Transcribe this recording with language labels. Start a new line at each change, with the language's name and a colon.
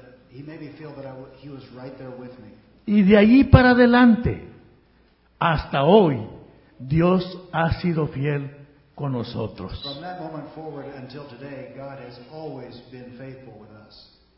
English: He made me feel that he was right there with me.
Spanish: Y de allí para adelante, hasta hoy, Dios ha sido fiel con nosotros.
English: From that moment forward until today, God has always been faithful with us.